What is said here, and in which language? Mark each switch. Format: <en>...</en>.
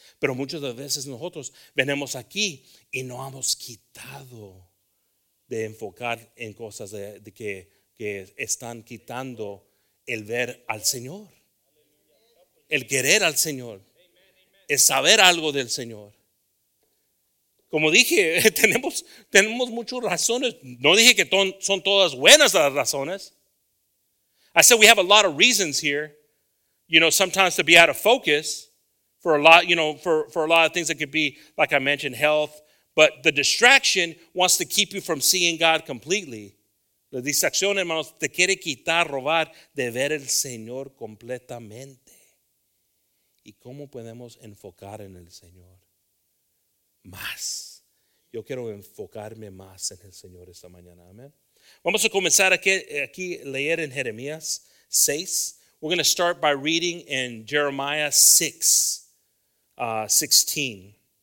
<es>Pero muchas de veces nosotros venimos aquí y no hemos quitado de enfocar en cosas que están quitando el ver al Señor, el querer al Señor, el saber algo del Señor. Como dije, tenemos muchas razones. No dije que son todas buenas las razones.</es> <en>I said we have a lot of reasons here, you know, sometimes to be out of focus for a lot, you know, for a lot of things that could be, like I mentioned, health. But the distraction wants to keep you from seeing God completely.</en> <es>La distracción, hermanos, te quiere quitar, robar de ver el Señor completamente. ¿Y cómo podemos enfocar en el Señor más? Yo quiero enfocarme más en el Señor esta mañana. Amén. Vamos a comenzar aquí leer en Jeremías 6.</es> <en>We're going to start by reading in Jeremiah 6:16.</en>